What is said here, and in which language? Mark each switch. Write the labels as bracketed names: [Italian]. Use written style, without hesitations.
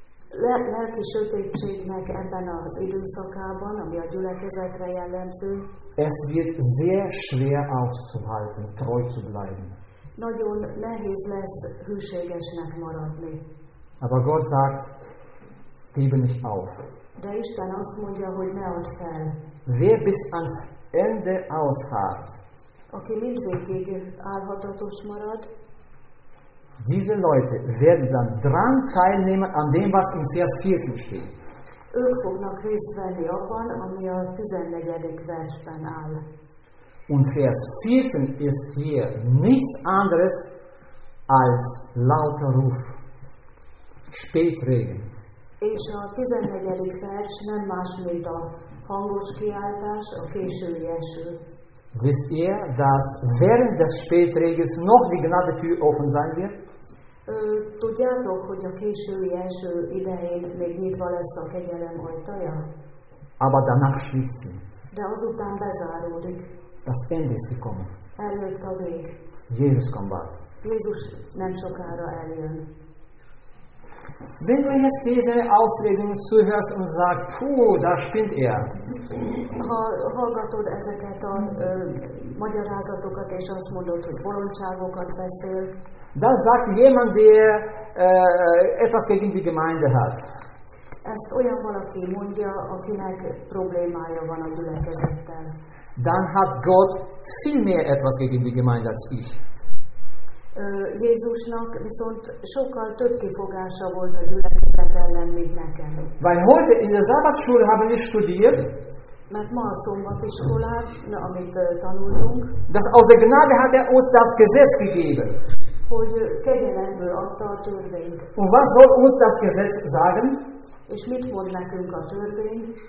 [Hungarian] Lelki sötétségnek ebben az időszakában, ami a gyülekezetre jellemző. [German] Es wird sehr schwer auszuhalten, treu zu bleiben. [Hungarian] Nagyon nehéz lesz hűségesnek maradni. [German] Aber Gott sagt, gebe nicht auf. [Hungarian] De Isten azt mondja, hogy ne add fel. [German] Wer bis ans Ende ausharrt, [Hungarian] aki mindvégig állhatatos marad, [German] diese Leute werden dann dran teilnehmen an dem, was im Vers 14 steht. [Hungarian] ők fognak részt venni abban, ami a 14. versben áll. [German] Und Vers 14 ist hier nichts anderes als lauter Ruf. Spätregen. [Hungarian] És a 14. vers nem más, mint a hangos kiáltás, a késői eső. [German] Wisst ihr, dass während des Spätregens noch die Gnadetür offen sein wird? [Hungarian] Tudjátok, hogy a késői eső idején még nyitva lesz a kegyelem ajtaja? [German] Aber danach schließt sie. [Hungarian] De azután bezáródik. [German] Das Ende ist gekommen. [Hungarian] Eljött a vég. [German] Jesus kommt bald. [Hungarian] Jézus nem sokára eljön. [German] Wenn du jetzt diese Ausreden zuhörst und sagst, puh, da spinnt er. [Hungarian] Ha hallgatod ezeket a magyarázatokat, és azt mondod, hogy bolondságokat beszél. [German] Das sagt jemand, der etwas gegen die Gemeinde hat. [Hungarian] Ezt olyan valaki mondja, akinek problémája van a gyülekezettel. [German] Dann hat Gott viel mehr etwas gegen die Gemeinde als ich. [Hungarian] Jézusnak viszont sokkal több kifogása volt a gyülekezet ellen, mint nekem. [German] Weil heute in der Sabbatschule haben wir studiert. [Hungarian] Mert ma a szombatiskolán, amit tanultunk. [German] Das aus der Gnade hat er uns das Gesetz gegeben. [Hungarian] Hogy kegyelemből adta a törvényt. [German] Und was soll uns das Gesetz sagen? [Hungarian] És mit mond nekünk a törvény?